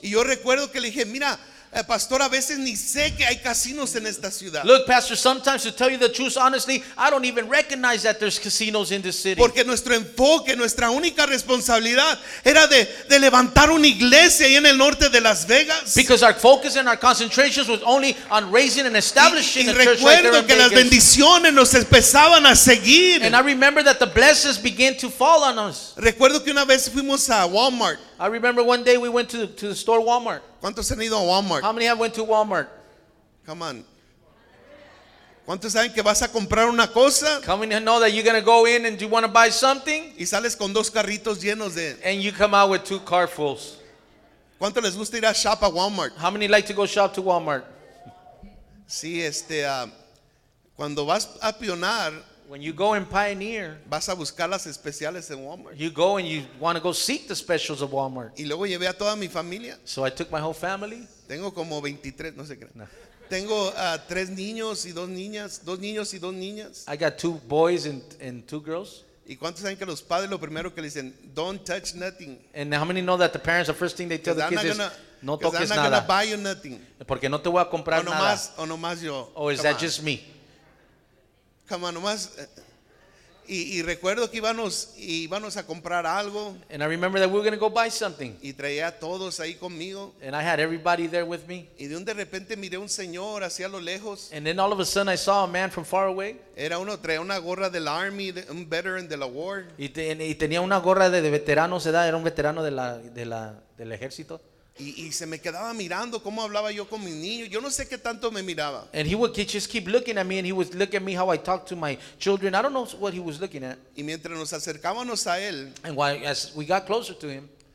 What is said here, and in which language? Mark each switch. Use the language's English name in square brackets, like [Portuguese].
[Spanish] Y yo recuerdo que le dije, mira, pastor, a veces ni sé que hay casinos en esta ciudad. [English] Look, pastor, sometimes to tell you the truth, honestly, I don't even recognize that there's casinos in this city. [Spanish] Porque nuestro enfoque, nuestra única responsabilidad era de levantar una iglesia ahí en el norte de Las Vegas. [English] Because our focus and our concentrations was only on raising and establishing a church right there in [Spanish] Vegas. Las bendiciones nos empezaban a seguir. [English] And I remember that the blessings began to fall on us. [Spanish] Recuerdo que una vez fuimos a Walmart. [English] I remember one day we went to the store Walmart. [Spanish] ¿Cuántos han ido a Walmart? [English] How many have went to Walmart? Come on. [Spanish] ¿Cuántos saben que vas a comprar una cosa? [English] How many know that you're going to go in and you want to buy something? [Spanish] Y sales con dos carritos llenos de... [English] And you come out with two carfuls. [Spanish] ¿Cuántos les gusta ir a shop a Walmart? [English] How many like to go shop to Walmart? [Spanish] Sí, cuando vas a pionar... [English] When you go and pioneer, [Spanish] vas a buscar las especiales en Walmart. [English] You go and you want to go seek the specials of Walmart. [Spanish] Y luego llevé a toda mi familia. [English] So I took my whole family. [Spanish] Tengo como 23, no sé qué. No. Tengo tres niños y dos niñas, dos niños y dos niñas. [English] I got two boys and two girls. [Spanish] ¿Y cuántos saben que los padres lo primero que le dicen, [English] don't touch nothing? And how many know that the parents, the first thing they tell the kids is, [Spanish] no toques nada. [English] Gonna buy you nothing. [Spanish] Porque no te voy a comprar nomás, nada. O nomás yo. [English] Or is that just me? Come on, [Spanish] nomás. Y recuerdo que íbamos a comprar algo. [English] And I remember that we were going to go buy something. [Spanish] Y traía a todos ahí conmigo. [English] And I had everybody there with me. [Spanish] Y de repente miré un señor hacia lo lejos. [English] And then all of a sudden I saw a man from far away. [Spanish] Era uno, traía una gorra del Army, un veteran de la war. Y tenía una gorra de veterano, se da, era un veterano del ejército. Y se me quedaba mirando cómo hablaba yo con mis niños. Yo no sé qué tanto me miraba. [English] And he would just keep looking at me, and he would look at me how I talked to my children. I don't know what he was looking at. [Spanish] Y mientras nos acercábamos a él, [English] and while, as we got closer to him,